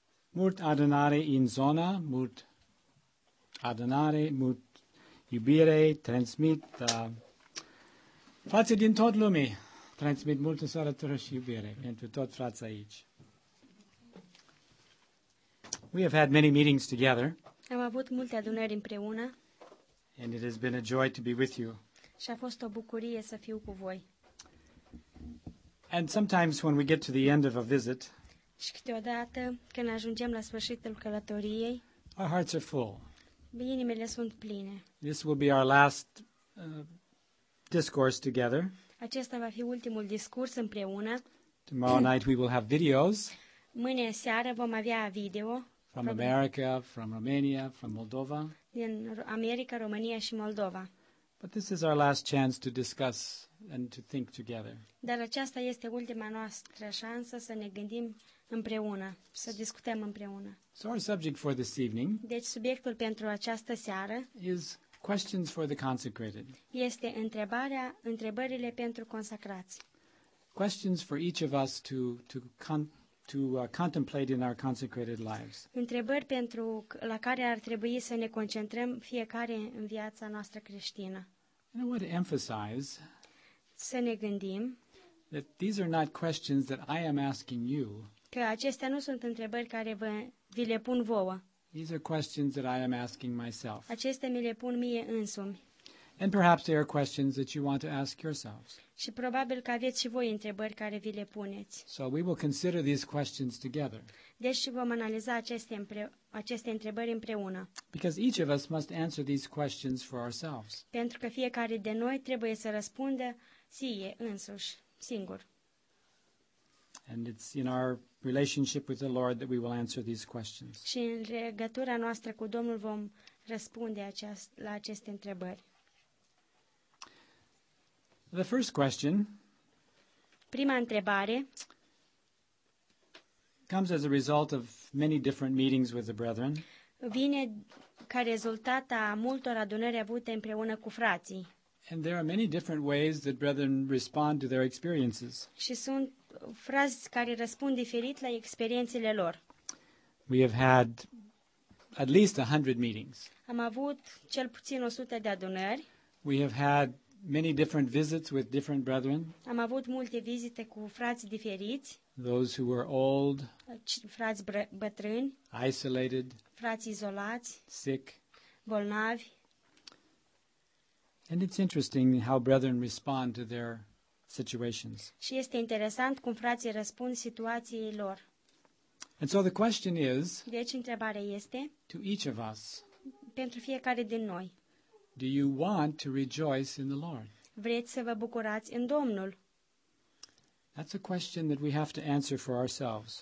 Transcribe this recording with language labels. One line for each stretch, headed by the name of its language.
Romanian: Mult adunare în zona, mult adunare, mult iubire, transmit frații din tot lumea, transmit multă sărătură și iubire pentru tot frații aici.
English: We have had many meetings together.
Romanian: Am avut multe adunări împreună.
English: And it has been a joy to be with you.
Romanian: Și a fost o bucurie să fiu cu voi.
English: And sometimes when we get to the end of a visit,
Romanian: și câteodată când ajungem la sfârșitul călătoriei,
English: our hearts are full.
Romanian: Inimile sunt pline.
English: This will be our last discourse together.
Romanian: Acesta va fi ultimul discurs împreună.
English: Tomorrow night we will have videos.
Romanian: Mâine seară vom avea video.
English: From America, from Romania, from Moldova.
Romanian: Din America, România și Moldova.
English: But this is our last chance to discuss and to think together.
Romanian: Dar aceasta este ultima noastră șansă să ne gândim împreună, să discutăm împreună.
English: So our subject for this evening.
Romanian: Deci subiectul pentru această seară.
English: Is questions for the consecrated.
Romanian: Este întrebările pentru consacrați.
English: Questions for each of us to contemplate in our consecrated lives.
Romanian: Întrebări pentru la care ar trebui să ne concentrăm fiecare în viața noastră creștină.
English: And I want to emphasize
Romanian: să ne gândim
English: that these are not questions that I am asking you.
Romanian: Că acestea nu sunt întrebări care vi le pun vouă.
English: These are questions that I am asking myself.
Romanian: Acestea mi le pun mie însumi.
English: And perhaps there are questions that you want to ask yourselves.
Romanian: Și probabil că aveți și voi întrebări care vi le puneți.
English: So we will consider these questions together.
Romanian: Deci vom analiza aceste întrebări împreună.
English: Because each of us must answer these questions for ourselves.
Romanian: Pentru că fiecare de noi trebuie să răspundă sie însuși, singur.
English: And it's in our relationship with the Lord that we will answer these questions.
Romanian: Și în legătura noastră cu Domnul vom răspunde la aceste întrebări.
English: The first question.
Romanian: Prima întrebare.
English: Comes as a result of many different meetings with the brethren.
Romanian: Vine ca rezultat a multor adunări avute împreună cu frații.
English: And there are many different ways that brethren respond to their experiences.
Romanian: Și sunt frați care răspund diferit la experiențele lor.
English: We have had at least 100 meetings.
Romanian: Am avut cel puțin 100 de adunări.
English: We have had many different visits with different brethren.
Romanian: Am avut multe vizite cu frați diferiți.
English: Those who were old.
Romanian: Frați bătrâni.
English: Isolated.
Romanian: Frați izolați.
English: Sick.
Romanian: Bolnavi.
English: And it's interesting how brethren respond to their situations.
Romanian: Și este interesant cum frații răspund situațiilor lor.
English: And so the question is.
Romanian: Deci întrebarea este.
English: To each of us.
Romanian: Pentru fiecare din noi.
English: Do you want to rejoice in the Lord?
Romanian: Vreți să vă bucurați în Domnul?
English: That's a question that we have to answer for ourselves.